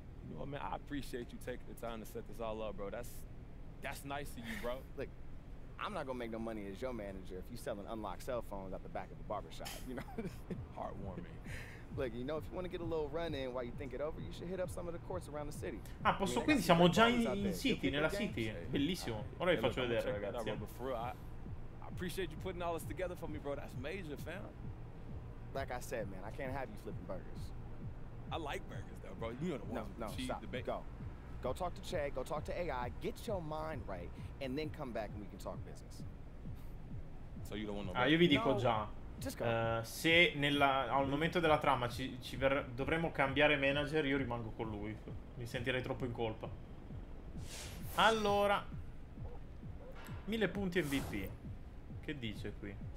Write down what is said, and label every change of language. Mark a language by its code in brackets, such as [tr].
[en] You know what, man, I appreciate you taking the time to set this all up, bro. That's nice of you, bro. Look, I'm not gonna make no money as your manager if you sell an unlocked cell phone out the back of a barbershop, you know? Heartwarming. Look, you know, if you want to get a little run in while you think it over, you should hit up some of the courts around the city. [it] Ah, posso, quindi siamo già in city, nella city. Bellissimo. Ora vi faccio vedere, ragazzi. [en] I appreciate you putting all this together for me, bro. That's major, fam. Like I said, man, I can't have you flipping burgers. I like burgers, though, bro. You know the ones with the cheese, the bacon. Go talk to Che, go talk to AI, get your mind right, and then come back and we can talk business. So you don't want [it] no. Ah, io vi dico già. Se al momento della trama dovremmo cambiare manager, io rimango con lui. Mi sentirei troppo in colpa. Allora, 1000 punti MVP. Che dice qui?